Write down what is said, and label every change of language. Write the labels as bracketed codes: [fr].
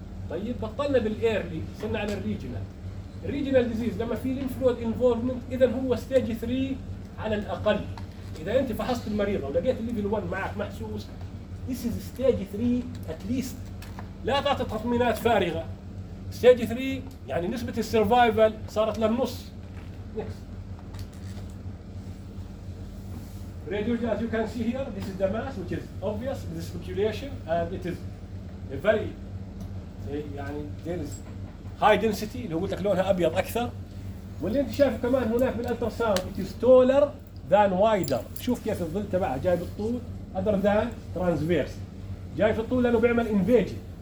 [ar] طيب بطلنا بالإيرلي صرنا على الريجينال. Regional disease لما في lymph node involvement إذا هو stage 3 على الأقل. إذا أنت فحصت المريضة ولقيت level 1 معك محسوس this is stage 3 at least. لا تعطي تطمينات فارغة. stage 3 يعني نسبة السرفايفل صارت للنص. [en] next. radiology as you can see here this is the mass which is obvious with the speculation and it is a very يعني there is High density اللي قلت لك لونها أبيض أكثر. واللي أنت شايفه كمان هناك بالألتر ساوند it is taller than wider. [ar] شوف كيف الظل تبعها جاي بالطول other than transverse. جاي في الطول لأنه بيعمل invasion.